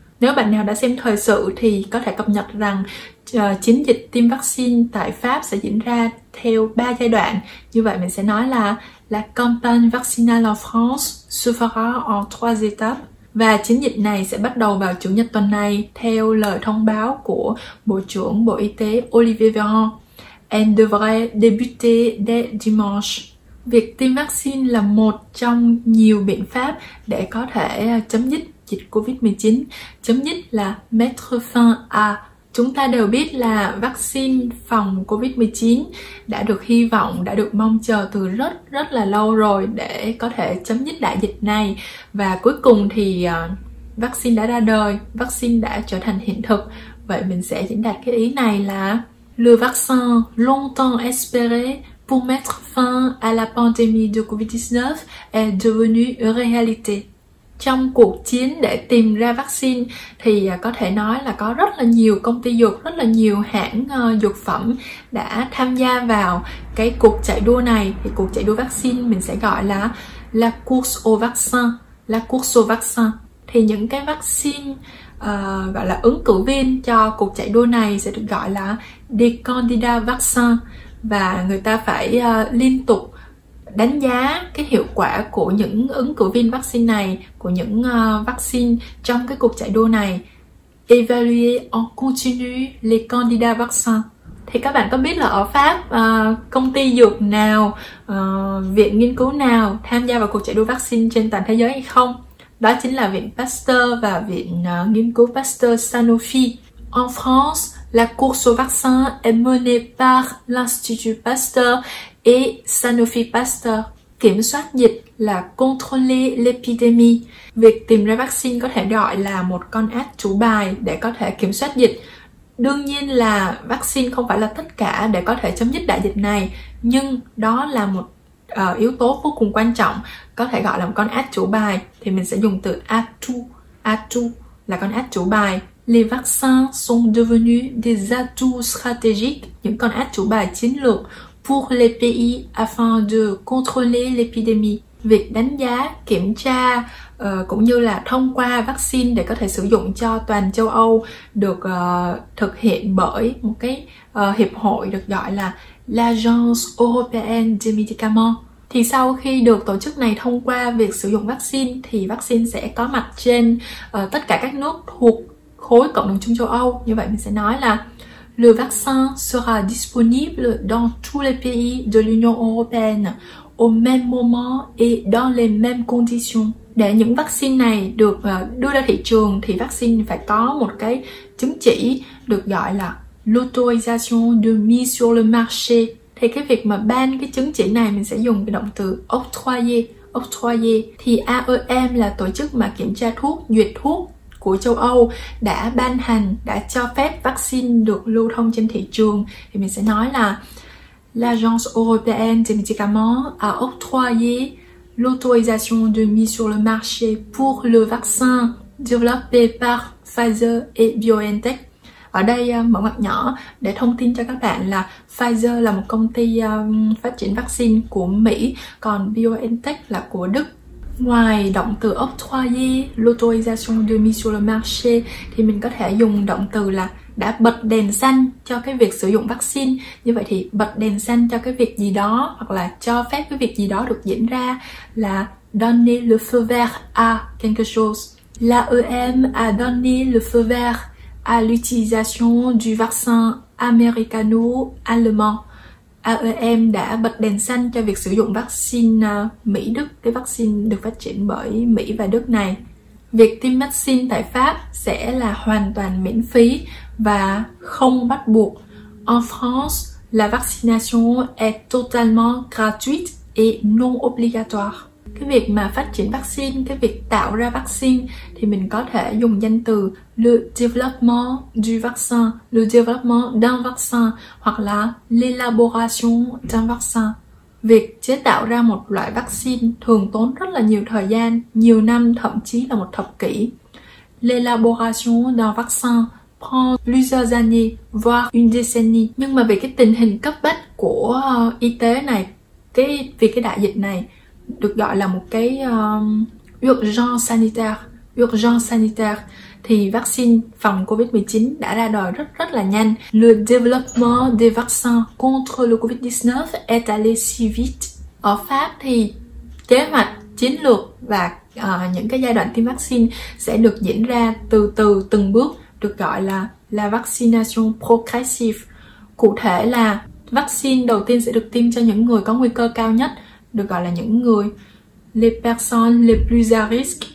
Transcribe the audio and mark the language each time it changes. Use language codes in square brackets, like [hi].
[vi] Nếu bạn nào đã xem thời sự thì có thể cập nhật rằng chiến dịch tiêm vaccine tại Pháp sẽ diễn ra theo 3 giai đoạn. Như vậy mình sẽ nói là [fr] la campagne vaccinale en France se fera en 3 étapes. [vi] Và chiến dịch này sẽ bắt đầu vào chủ nhật tuần này theo lời thông báo của Bộ trưởng Bộ Y tế Olivier Véran. [fr] Elle devrait débuter dès dimanche. [vi] Việc tiêm vaccine là một trong nhiều biện pháp để có thể chấm dứt dịch Covid-19. Chấm dứt là [fr] mettre fin à. [vi] Chúng ta đều biết là vaccine phòng Covid-19 đã được hy vọng, đã được mong chờ từ rất là lâu rồi để có thể chấm dứt đại dịch này. Và cuối cùng thì vaccine đã ra đời, vaccine đã trở thành hiện thực. Vậy mình sẽ diễn đạt cái ý này là [fr] le vaccin longtemps espéré pour mettre fin à la pandémie de Covid-19 est devenu une réalité. [vi] Trong cuộc chiến để tìm ra vaccine thì có thể nói là có rất là nhiều công ty dược, rất là nhiều hãng dược phẩm đã tham gia vào cái cuộc chạy đua này. Thì cuộc chạy đua vaccine mình sẽ gọi là [fr] la course au vaccin, [vi] la course au vaccin. Thì những cái vaccine gọi là ứng cử viên cho cuộc chạy đua này sẽ được gọi là [fr] des candidats vaccins. [vi] Và người ta phải liên tục đánh giá cái hiệu quả của những ứng cử viên vaccine này, của những vaccine trong cái cuộc chạy đua này. [fr] Evaluer en continu les candidats vaccins. [vi] Thì các bạn có biết là ở Pháp công ty dược nào, viện nghiên cứu nào tham gia vào cuộc chạy đua vaccine trên toàn thế giới hay không? Đó chính là viện Pasteur và viện nghiên cứu Pasteur Sanofi. [fr] En France, la course au vaccin est menée par l'Institut Pasteur et Sanofi Pasteur. [vi] Kiểm soát dịch là [fr] contrôler l'épidémie. [vi] Việc tìm ra vaccine có thể gọi là một con át chủ bài để có thể kiểm soát dịch. Đương nhiên là vaccine không phải là tất cả để có thể chấm dứt đại dịch này, nhưng đó là một yếu tố vô cùng quan trọng, có thể gọi là một con át chủ bài. Thì mình sẽ dùng từ atout là con át chủ bài. [fr] Les vaccins sont devenus des atouts stratégiques, [vi] những con át chủ bài chiến lược, [fr] pour les pays afin de contrôler l'épidémie. [vi] Việc đánh giá, kiểm tra cũng như là thông qua vaccine để có thể sử dụng cho toàn châu Âu được thực hiện bởi một cái hiệp hội được gọi là l'Agence européenne des médicaments. Thì sau khi được tổ chức này thông qua việc sử dụng vaccine thì vaccine sẽ có mặt trên tất cả các nước thuộc khối cộng đồng chung châu Âu. Như vậy mình sẽ nói là [fr] le vaccin sera disponible dans tous les pays de l'Union européenne au même moment et dans les mêmes conditions. [vi] Để những vaccine này được đưa ra thị trường thì vaccine phải có một cái chứng chỉ được gọi là [fr] l'autorisation de mise sur le marché. [vi] Thì cái việc mà ban cái chứng chỉ này mình sẽ dùng cái động từ octroyer. Octroyer thì AEM là tổ chức mà kiểm tra thuốc, duyệt thuốc của châu Âu đã ban hành, đã cho phép vaccine được lưu thông trên thị trường. Thì mình sẽ nói là [fr] l'Agence européenne des médicaments a octroyé l'autorisation de mise sur le marché pour le vaccin développé par Pfizer et BioNTech. [vi] Ở đây mở ngoặc nhỏ để thông tin cho các bạn là Pfizer là một công ty phát triển vaccine của Mỹ, còn BioNTech là của Đức. Ngoài động từ octroyer, [fr] l'autorisation de mise sur le marché, [vi] thì mình có thể dùng động từ là đã bật đèn xanh cho cái việc sử dụng vaccine. Như vậy thì bật đèn xanh cho cái việc gì đó hoặc là cho phép cái việc gì đó được diễn ra là [fr] donner le feu vert à quelque chose. La EM a donné le feu vert à l'utilisation du vaccin américano-allemand. [vi] AEM đã bật đèn xanh cho việc sử dụng vaccine Mỹ-Đức, cái vaccine được phát triển bởi Mỹ và Đức này. Việc tiêm vaccine tại Pháp sẽ là hoàn toàn miễn phí và không bắt buộc. [fr] En France, la vaccination est totalement gratuite et non obligatoire. [vi] Cái việc mà phát triển vaccine, cái việc tạo ra vaccine thì mình có thể dùng danh từ [fr] le développement du vaccin, le développement d'un vaccin [vi] hoặc là [fr] l'élaboration d'un vaccin. [vi] Việc chế tạo ra một loại vaccine thường tốn rất là nhiều thời gian, nhiều năm, thậm chí là một thập kỷ. [fr] L'élaboration d'un vaccin prend plusieurs années, voire une décennie. [vi] Nhưng mà vì cái tình hình cấp bách của y tế này, vì cái đại dịch này, được gọi là một cái [fr] urgence sanitaire, [vi] thì vaccine phòng COVID-19 đã ra đời rất là nhanh. [fr] Le développement des vaccins contre le COVID-19 est allé si vite. [vi] Ở Pháp thì kế hoạch, chiến lược và những cái giai đoạn tiêm vaccine sẽ được diễn ra từ từ, từng bước, được gọi là [fr] la vaccination progressive. [vi] Cụ thể là vaccine đầu tiên sẽ được tiêm cho những người có nguy cơ cao nhất, được gọi là những người [fr] les personnes les plus à risque.